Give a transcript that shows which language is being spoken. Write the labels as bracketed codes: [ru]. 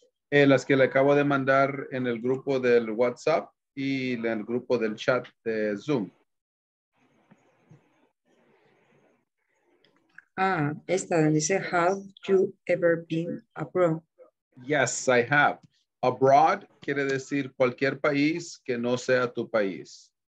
[es] Las que le acabo de mandar en el grupo del WhatsApp y en el grupo del chat de Zoom. Ah, esta dice, [en] have you ever been abroad? Yes, I have. [es] Abroad quiere decir cualquier país que no sea tu país.